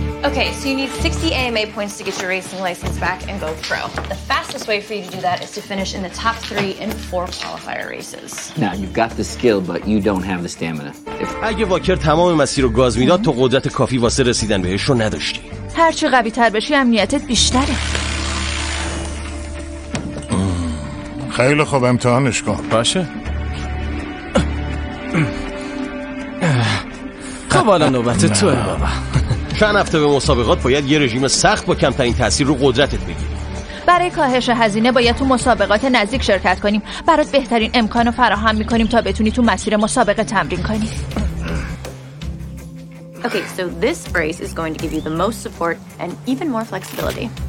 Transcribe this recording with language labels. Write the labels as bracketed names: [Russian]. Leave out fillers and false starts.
[English] Okay, so you need 60 AMA points to get your racing license back and go pro. The fastest way for you to do that is to finish in the top 3 in 4 qualifier races. Now, you've got the skill, but you don't have the stamina. [Persian] If اگه واکر تمام مسیر رو گاز میداد، تو قدرت کافی واسه رسیدن بهش رو نداشتی. هر چی قوی تر بشی، امنیتت بیشتره. خیلی خوب، امتحانش کن. باشه. خب حالا نوبت توه بابا. چند هفته به مسابقات باید یه رژیم سخت با کمترین تأثیر رو قدرتت بگیری. برای کاهش هزینه باید تو مسابقات نزدیک شرکت کنیم. برات بهترین امکان رو فراهم میکنیم تا بتونی تو مسیر مسابقه تمرین کنی. [English] Okay, so this race is going to give you the most support and even more flexibility.